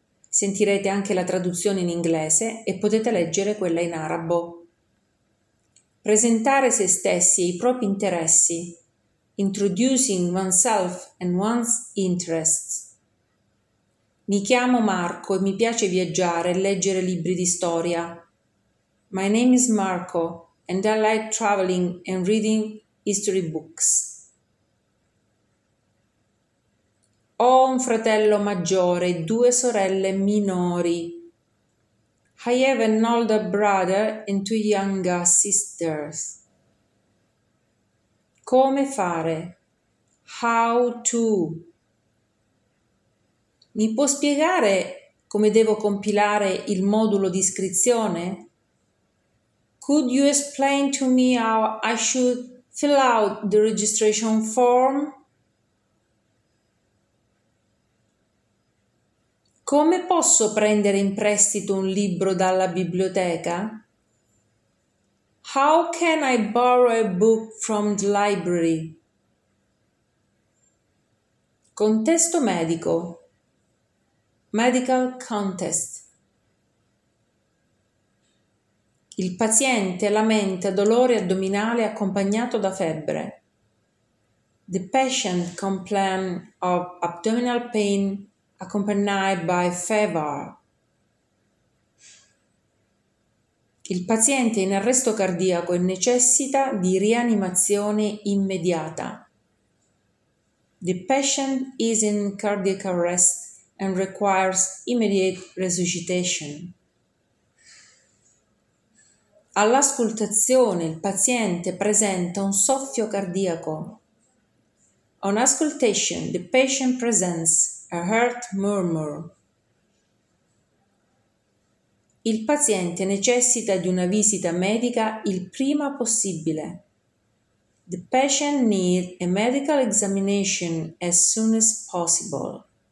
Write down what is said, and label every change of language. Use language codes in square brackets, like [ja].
[it] Sentirete anche la traduzione in inglese e potete leggere quella in arabo. Presentare se stessi e i propri interessi. [en] Introducing oneself and one's interests. [it] Mi chiamo Marco e mi piace viaggiare e leggere libri di storia. [en] My name is Marco and I like traveling and reading history books. [it] Ho un fratello maggiore e due sorelle minori. [en] I have an older brother and two younger sisters. Come fare? How to? [it] Mi può spiegare come devo compilare il modulo di iscrizione? [en] Could you explain to me how I should fill out the registration form? [it] Come posso prendere in prestito un libro dalla biblioteca? [en] How can I borrow a book from the library? [it] Contesto medico. [en] Medical context. [it] Il paziente lamenta dolore addominale accompagnato da febbre. [en] The patient complains of abdominal pain accompanied by fever. [it] Il paziente è in arresto cardiaco e necessita di rianimazione immediata. [en] The patient is in cardiac arrest and requires immediate resuscitation. [it] All'ascoltazione il paziente presenta un soffio cardiaco. [en] On auscultation, the patient presents a heart murmur. [it] Il paziente necessita di una visita medica il prima possibile. [en] The patient needs a medical examination as soon as possible.